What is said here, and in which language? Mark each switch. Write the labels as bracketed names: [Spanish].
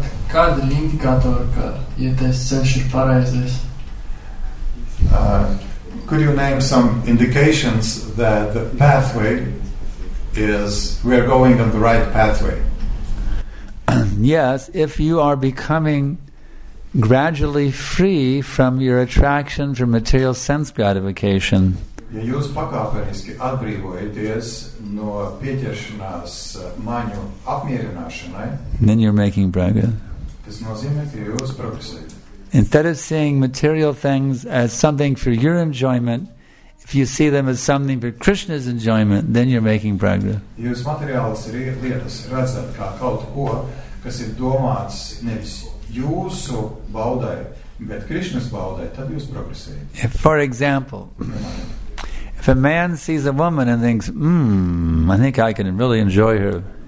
[Latvian] Kāda ir indikātora, ka ietais ceļš ir pareizais? [English] Could you name some indications that the pathway is, we are going on the right pathway? Yes, if you are becoming gradually free from your attraction for material sense gratification. [Latvian] Ja jūs pakāpeniski atbrīvojaties no pieķeršanās maņu apmierināšanai, [English] then you're making progress. [Latvian] Tas nozīmē, ka jūs progresējat. [English] Instead of seeing material things as something for your enjoyment, if you see them as something for Krishna's enjoyment, then you're making progress. [Latvian] Jūs materiālas lietas redzat kā kaut ko, kas ir domāts nevis jūsu baudai, bet Krishna's baudai, tad jūs progresējat. [English] For example, if a man sees a woman and thinks, I think I can really enjoy her.